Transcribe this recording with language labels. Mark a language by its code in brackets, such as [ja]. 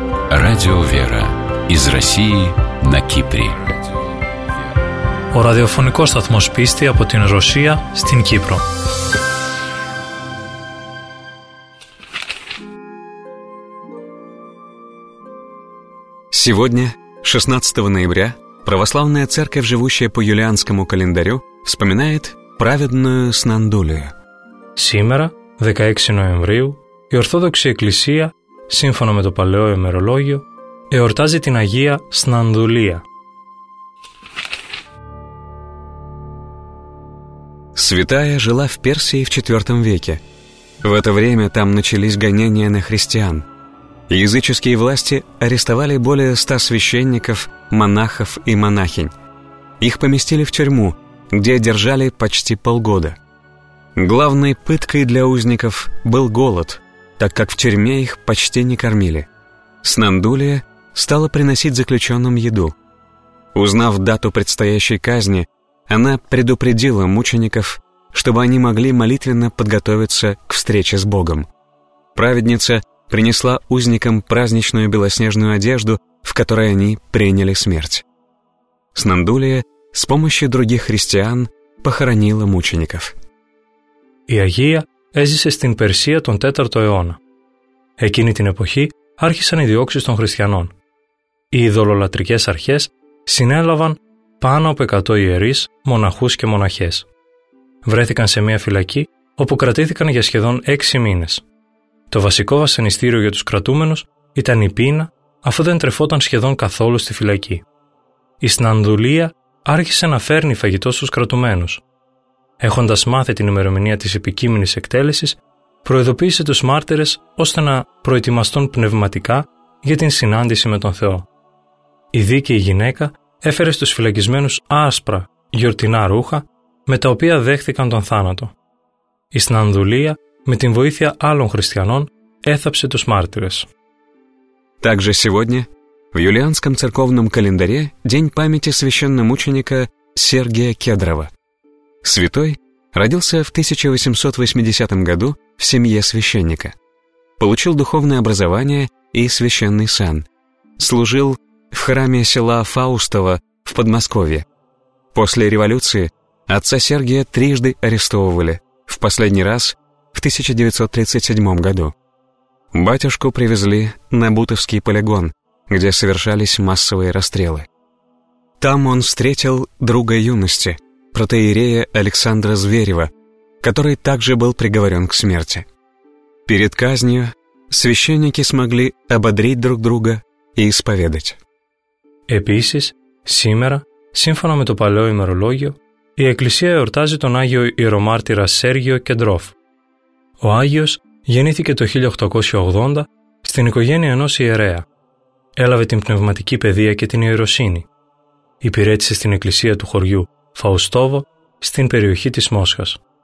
[ru] Радио «Вера» из России на Кипре. [el] Ο ραδιοφωνικός σταθμός πίστη από την Ρωσία στην Κύπρο. [ru] Сегодня, 16 ноября, православная церковь, живущая по юлианскому календарю, вспоминает праведную Снандулию. Сегодня, 16 ноября, [el] η Ορθόδοξη Εκκλησία, σύμφωνα με το παλαιό ημερολόγιο, εορτάζει την Αγία Σνανδουλία. [ru] Святая жила в Персии в IV веке. В это время там начались гонения на христиан. Языческие власти арестовали более 100 священников, монахов и монахинь. Их поместили в тюрьму, где держали почти полгода. Главной пыткой для узников был голод, так как в тюрьме их почти не кормили. Снандулия стала приносить заключенным еду. Узнав дату предстоящей казни, она предупредила мучеников, чтобы они могли молитвенно подготовиться к встрече с Богом. Праведница принесла узникам праздничную белоснежную одежду, в которой они приняли смерть. Снандулия с помощью других христиан похоронила мучеников. [el] Η Αγία έζησε στην Περσία τον 4ο αιώνα. Εκείνη την εποχή άρχισαν οι διώξεις των χριστιανών. Οι ειδωλολατρικές αρχές συνέλαβαν πάνω από 100 ιερείς, μοναχούς και μοναχές. Βρέθηκαν σε μια φυλακή όπου κρατήθηκαν για σχεδόν 6 μήνες. Το βασικό βασανιστήριο για τους κρατούμενους ήταν η πείνα, αφού δεν τρεφόταν σχεδόν καθόλου στη φυλακή. Η Σνανδουλία άρχισε να φέρνει φαγητό στους κρατουμένους. Έχοντας μάθει την ημερομηνία της επικείμενης εκτέλεσης, προειδοποίησε τους μάρτυρες ώστε να προετοιμαστούν πνευματικά για την συνάντηση με τον Θεό. Η δίκαιη γυναίκα έφερε στους φυλακισμένους άσπρα, γιορτινά ρούχα, με τα οποία δέχθηκαν τον θάνατο. Η Σνανδουλία, με την βοήθεια άλλων χριστιανών, έθαψε τους μάρτυρες. [ru] Также сегодня в юлианском церковном календаре день памяти священномученика Сергия Кедрова. Святой родился в 1880 году в семье священника. Получил духовное образование и священный сан. Служил в храме села Фаустово в Подмосковье. После революции отца Сергия трижды арестовывали, в последний раз в 1937 году. Батюшку привезли на Бутовский полигон, где совершались массовые расстрелы. Там он встретил друга юности, протоиерея Александра Зверева, который также был приговорен к смерти. Перед казнью священники смогли ободрить друг друга и исповедать. [el] Επίσης, σήμερα, σύμφωνα με το παλαιό ημερολόγιο, η Εκκλησία εορτάζει τον Άγιο Ιερομάρτυρα Σέργιο Κεντρόφ. Ο Άγιος γεννήθηκε το 1880 στην οικογένεια ενός ιερέα. Έλαβε την πνευματική παιδεία και την ιεροσύνη. Υπηρέτησε στην Εκκλησία του χωριού Φαουστόβο στην περιοχή της Μόσχας.